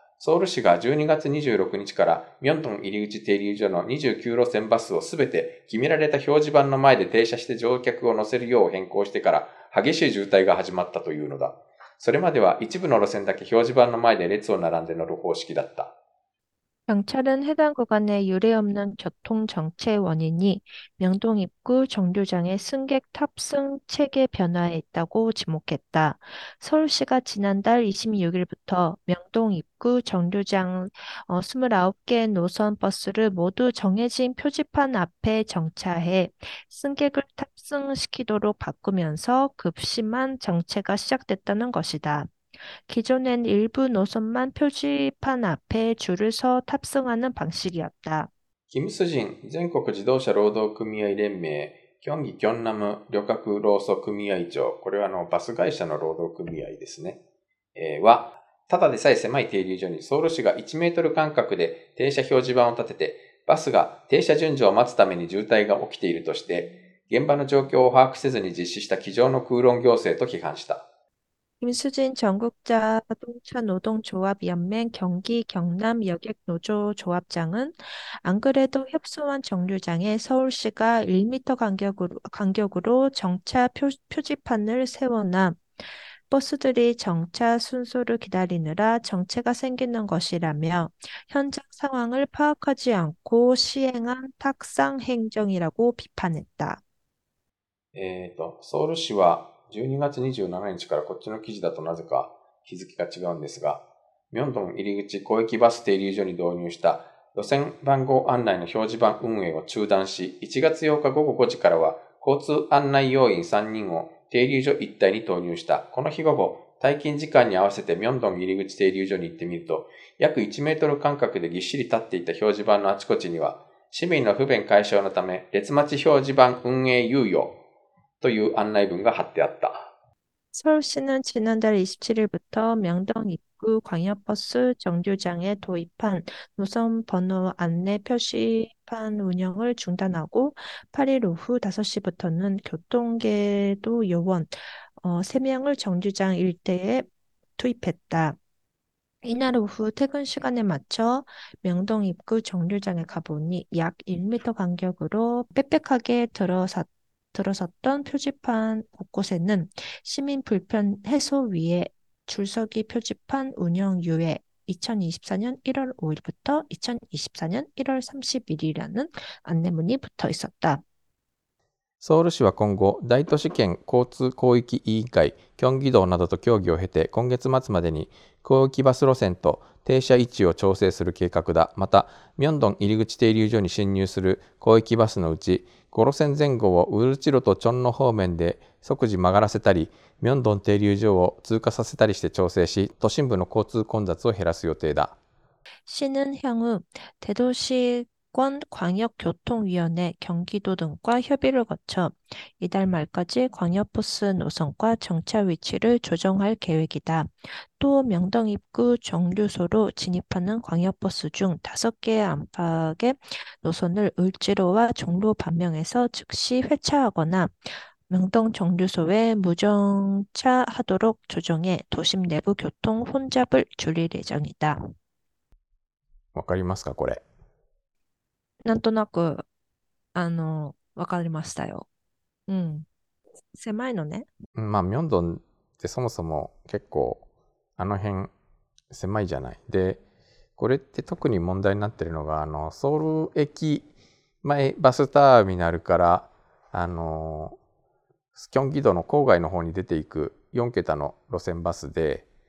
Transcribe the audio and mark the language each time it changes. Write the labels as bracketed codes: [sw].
[ja] ソウル市が12月26日から明洞入り口停留所の29路線バスをすべて決められた表示板の前で停車して乗客を乗せるよう変更してから激しい渋滞が始まったというのだ。それまでは一部の路線だけ表示板の前で列を並んで乗る方式だった。 [ko] 경찰은 해당 구간의 유례없는 교통 정체 원인이 명동 입구 정류장의 승객 탑승 체계 변화에 있다고 지목했다. 서울시가 지난달 26일부터 명동 입구 정류장 29개 노선 버스를 모두 정해진 표지판 앞에 정차해 승객을 탑승시키도록 바꾸면서 급심한 정체가 시작됐다는 것이다. 기존엔 일부 노선만 표지판 앞에 줄을 서 탑승하는 방식이었다. [ja] 김수진 全国自動車労働組合連盟、京畿京南旅客労組合長、これはバス会社の労働組合ですね、は、ただでさえ狭い停留所にソウル市が1メートル間隔で停車表示板を立てて、バスが停車順序を待つために渋滞が起きているとして、現場の状況を把握せずに実施した机上の空論行政と批判した。 [ko] 김수진 전국자동차노동조합연맹 경기 경남 여객노조 조합장은 안 그래도 협소한 정류장에 서울시가 1미터 간격으로 정차 표지판을 세워놔 버스들이 정차 순서를 기다리느라 정체가 생기는 것이라며 현장 상황을 파악하지 않고 시행한 탁상 행정이라고 비판했다. [ja] ソウル市は12月27日からこっちの記事だとなぜか日付が違うんですが、明洞入口広域バス停留所に導入した路線番号案内の表示板運営を中断し、1月8日午後5時からは交通案内要員3人を停留所一帯に投入した。この日午後、退勤時間に合わせて明洞入口停留所に行ってみると、約1メートル間隔でぎっしり立っていた表示板のあちこちには、市民の不便解消のため列待ち表示板運営猶予という案内文が貼ってあった。 [ko] 서울시는 지난달 27일부터 명동 입구 광역버스 정류장에 도입한 노선 번호 안내 표지판 운영을 중단하고 8일 오후 5시부터는 교통계도 요원 3명을 정류장 일대에 투입했다. 이날 오후 퇴근 시간에 맞춰 명동 입구 정류장에 가보니 약 1m 간격으로 빽빽하게 들어섰던 표지판 곳곳에는 시민 불편 해소 위해 줄서기 표지판 운영 유예 2024년 1월 5일부터 2024년 1월 31일이라는 안내문이 붙어 있었다. [ja] ソウル市は今後、大都市圏交通広域委員会、京畿道などと協議を経て、今月末までに広域バス路線と停車位置を調整する計画だ。また、明洞入口停留所に進入する広域バスのうち、5路線前後をウルチロとチョンノ方面で即時曲がらせたり、明洞停留所を通過させたりして調整し、都心部の交通混雑を減らす予定だ。 [ko] 시는 향후 대도시권 광역교통위원회 경기도 등과 협의를 거쳐 이달 말까지 광역버스 노선과 정차 위치를 조정할 계획이다. 또 명동 입구 정류소로 진입하는 광역버스 중 5개 안팎의 노선을 을지로와 종로 방면에서 즉시 회차하거나 명동 정류소에 무정차하도록 조정해 도심 내부 교통 혼잡을 줄일 예정이다. [ja] わかりますか、これ。なんとなく、わかりましたよ。狭いのね。明洞ってそもそも結構あの辺狭いじゃない。で、これって特に問題になってるのが、ソウル駅前バスターミナルから、キョンギ道の郊外の方に出ていく4桁の路線バスで、